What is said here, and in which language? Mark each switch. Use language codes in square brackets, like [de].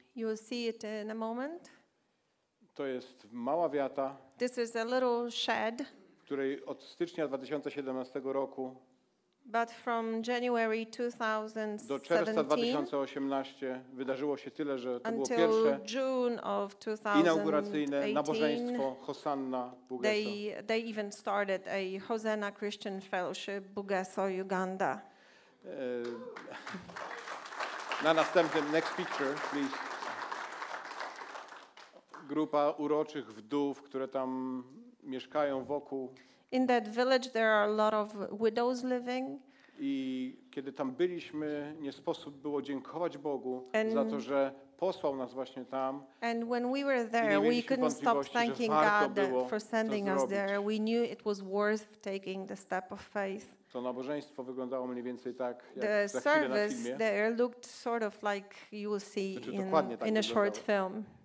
[en] You will see it in a moment. [pl] To jest mała wiata. [en] This is a little shed. [pl] Której od stycznia 2017 roku. [en] But from January 2017 [pl] do czerwca 2018 wydarzyło się tyle, że to było pierwsze [en] June of 2018, [pl] inauguracyjne nabożeństwo Hosanna Bugeso. [en] They even started a Hosanna Christian Fellowship Bugeso Uganda. [pl] Na następnym, [en] next picture, please. [pl] Grupa uroczych wdów, które tam mieszkają wokół. [en] In that village there are a lot of widows living. [pl] I kiedy tam byliśmy, nie sposób było dziękować Bogu za to, że posłał nas właśnie tam. [en] And when we were there, we couldn't stop thanking God for sending us there. We knew it was worth taking the step of faith. [pl] To nabożeństwo wyglądało mniej więcej tak, jak [en] the service [pl] na filmie. [en] There looked sort of like you will see in a short film.